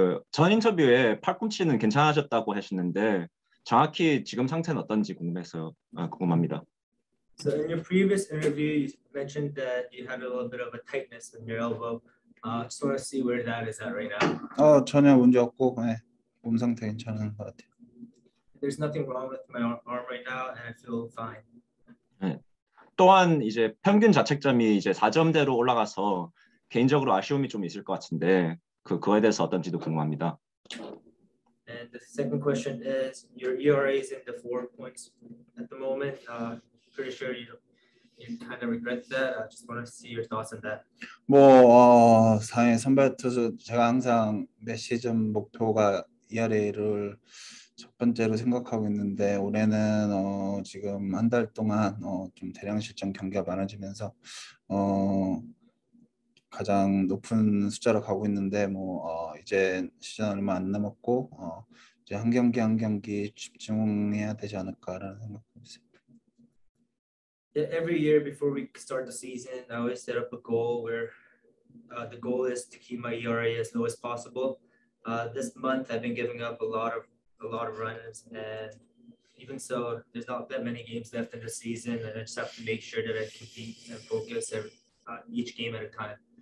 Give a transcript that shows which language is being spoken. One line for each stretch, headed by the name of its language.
Korean: 전 인터뷰에 팔꿈치는 괜찮아졌다고 하셨는데, 정확히 지금 상태는 어떤지 궁금해서 궁금합니다.
English: So in your previous interview, you mentioned that you had a little bit of a tightness in your elbow. Just want to see where that is at right now.
Korean: 전혀 문제 없고, 네. 몸 상태 괜찮은 것 같아요.
English: There's nothing wrong with my arm right now, and I feel fine.
Korean: 또한 이제 평균 자책점이 이제 4점대로 올라가서 개인적으로 아쉬움이 좀 있을 것 같은데 그거에 대해서 어떤지도 궁금합니다.
English: And the second question is, your ERA is in the 4 points at the moment. Pretty sure kind of regret that. I just want to see your thoughts on that.
Korean: 뭐 상해 선발 투수 제가 항상 몇 시즌 목표가 ERA를 첫 번째로 생각하고 있는데 올해는 지금 한 달 동안 좀 대량 실전 경기가 많아지면서 가장 높은 숫자로 가고 있는데 뭐 이제 시즌 얼마 안 남았고 이제 한 경기 한 경기 집중해야 되지 않을까라는 생각도 있어요.
English: Yeah, every year before we start the season, I always set up a goal where the goal is to keep my ERA as low as possible. This month, I've been giving up a lot of runs, and even so, there's not that many games left in the season, and I just have to make sure that I compete and focus each game at a time.